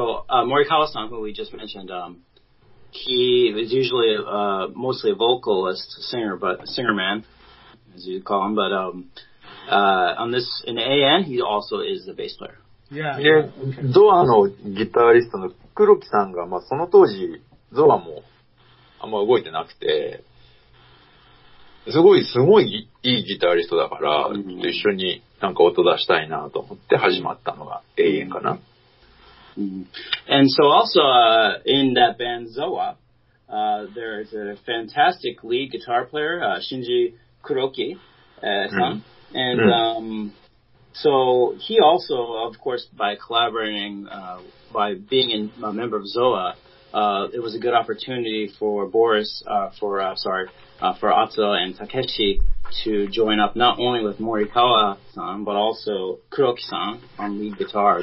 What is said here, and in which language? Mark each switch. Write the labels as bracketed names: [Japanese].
[English] Morikawa-san, who we just mentioned, he is usually mostly a vocalist, singer man, as you call him, but on this, in AN, he also is the bass player. Yeah. [Japanese] ゾアのギタリストの黒木さんが、まあ、その当時、ゾアもあんま動いてなくて、すごいいいギタリストだから、一緒になんか音出したいなと思って始まったのが永遠かな。 [English] And so also, in that band Zoa, there is a fantastic lead guitar player, Shinji Kuroki, さん. And, so he also, of course, by collaborating, by being in, a member of Zoa, it was a good opportunity for Atsuo and Takeshi to join up not only with Morikawa-san, but also Kuroki-san on lead guitar.